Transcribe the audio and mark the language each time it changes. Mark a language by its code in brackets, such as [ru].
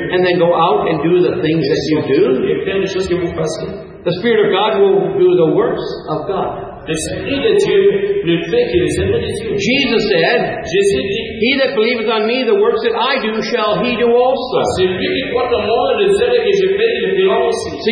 [en] And then go out and do the things that you do. [fr] Et faire les choses que vous faites. [en] The Spirit of God will do the works of God. [fr] L'esprit de Dieu ne fait que les œuvres de Dieu. [en] Jesus said, [fr] Jésus dit, [en] he that believeth on me, the works that I do, shall he do also. [fr] Celui qui croit en moi, les œuvres que je fais, il le fera aussi.